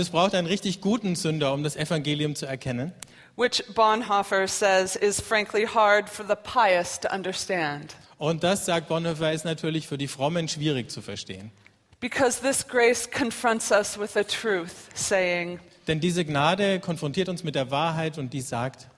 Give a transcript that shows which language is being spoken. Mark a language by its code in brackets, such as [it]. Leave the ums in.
[de] es braucht einen richtig guten Sünder, um das Evangelium zu erkennen. [en] Which Bonhoeffer says is frankly hard for the pious to understand. [de] Und das sagt Bonhoeffer ist natürlich für die Frommen schwierig zu verstehen. [en] Because this grace confronts us with the truth, saying, [de] Denn diese Gnade konfrontiert uns mit der Wahrheit und die sagt,